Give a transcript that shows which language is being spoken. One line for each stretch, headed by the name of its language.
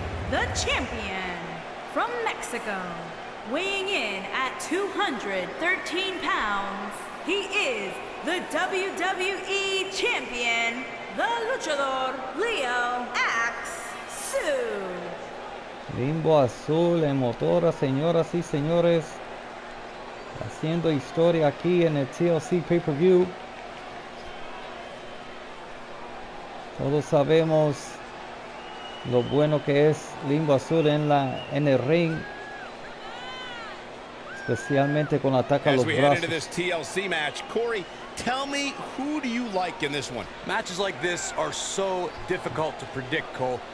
English: The champion from Mexico, weighing in at 213 pounds, he is the WWE champion, the luchador Leo Axe-Sue.
Spanish: Limbo Azul en Motora, señoras y señores, haciendo historia aquí en el TLC pay-per-view. Todos sabemos lo bueno que es Limbo Azul en la en el ring, especialmente con ataque a los brazos.
English: As we head into this TLC match, Corey, tell me, who do you like in this one? Matches like this are so difficult to predict, Cole.